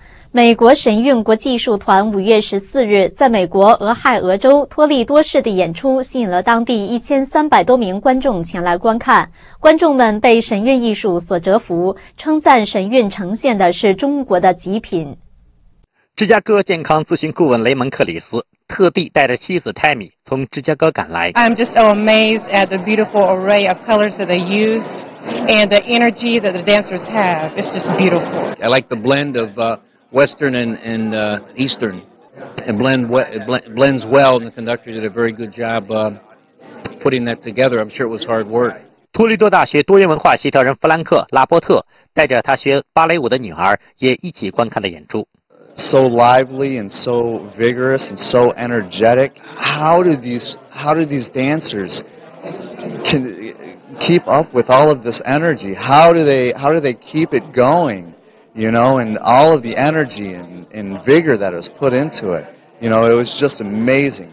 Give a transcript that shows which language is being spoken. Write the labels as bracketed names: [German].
[Chinese] 美国神韵国际艺术团5月14日在美国俄亥俄州托利多市的演出吸引了当地1300多名观众前来观看，观众们被神韵艺术所折服，称赞神韵呈现的是中国的极品。芝加哥健康咨询顾问雷蒙·克里斯特地带着妻子泰米从芝加哥赶来。 [English] I'm just so amazed at the beautiful array of colors that they use and the energy that the dancers have. It's just beautiful. I like the blend of Western and Eastern, and blends well, and the conductor did a very good job putting that together. I'm sure it was hard work. [Chinese] 托利多大学多元文化协调人弗兰克·拉波特带着他学芭蕾舞的女儿也一起观看了演出。 [English] So lively and so vigorous and so energetic. How do these dancers can keep up with all of this energy? How do they keep it going? You know, and all of the energy and vigor that was put into it, you know, it was just amazing.